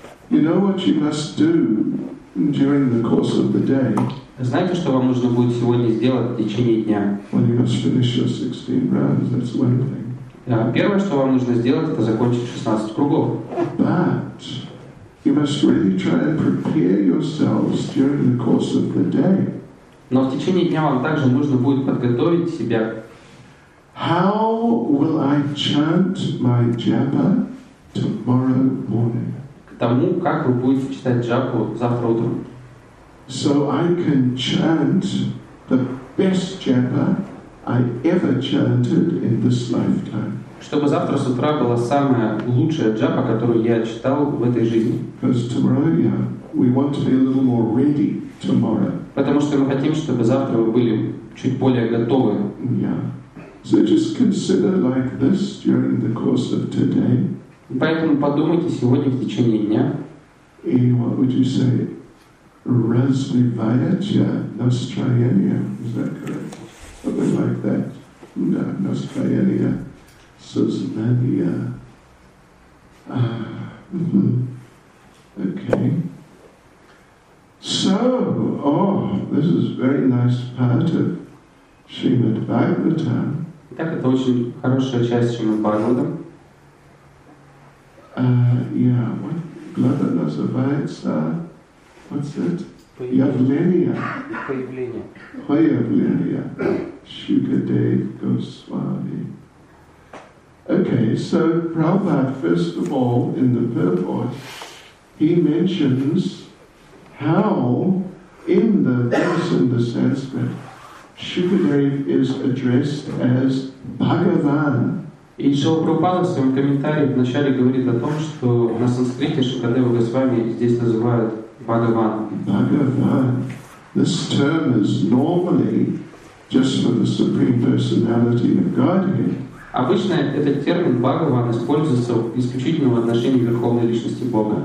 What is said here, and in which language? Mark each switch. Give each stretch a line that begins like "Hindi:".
English: You know what you must do during the course of the day.
Russian: Знаете, что вам нужно будет сегодня сделать в течение дня?
English: When you must finish your 16 rounds, that's one thing.
Russian: Первое, что вам нужно сделать, это закончить 16 кругов.
English: But you must really try and prepare yourselves during the course of the day.
Russian: Но в течение дня вам также нужно будет подготовить себя.
English: How will I chant my japa? Tomorrow morning.
Russian: К тому, как вы будете читать джапу завтра утром.
English: So I can chant the best japa I ever chanted in this lifetime.
Russian: Чтобы завтра с утра была самая лучшая джапа, которую я читал в этой жизни.
English: Because tomorrow, we want to be a little more ready tomorrow.
Russian: Потому что мы хотим, чтобы завтра вы были чуть более готовы.
English: So just consider like this during the course of today.
Russian: Поэтому подумайте сегодня в течение дня. И
English: what would you say?
Russian: Развивайте настроение.
English: Is that correct? Something like that.
Russian: Да, настроение. Сознание.
English: Okay. So, this is a very nice part of Srimad Bhagavatam.
Russian: Итак, это очень хорошая часть Srimad Bhagavatam.
English: What glada
Russian: называется?
English: What's it?
Russian: Явление. Появление. Появление. Shukadev Goswami.
English: Okay, so Prabhupada, first of all, in the purport, he mentions how in the verse in the Sanskrit, Shukadev is addressed as Bhagavan.
Russian: И Шрила Прабхупада в своем комментарии вначале говорит о том, что на санскрите Шукадева Госвами здесь называют Бхагаван. Бхагаван.
English: This term is normally just for the Supreme Personality of Godhead.
Russian: Обычно этот термин Бхагаван используется исключительно в отношении Верховной Личности Бога.